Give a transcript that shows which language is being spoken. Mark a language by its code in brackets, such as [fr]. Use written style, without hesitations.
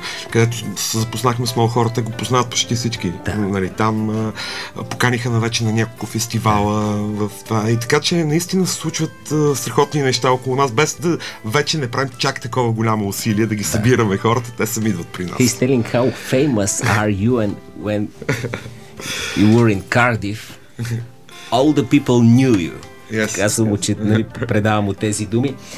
[bg] Където се запознахме с много хората, го познават почти всички. Нали, там поканиха навече на няколко фестивала. И така че наистина се случват страхотни неща около нас, без да вече не правим чак такова голямо усилие да ги събираме хората, те сами идват при нас. [en] He's telling how famous are you and when you were in Cardiff, all the people knew you. Yes. [bg] Казвам, че нали, предавам от тези думи.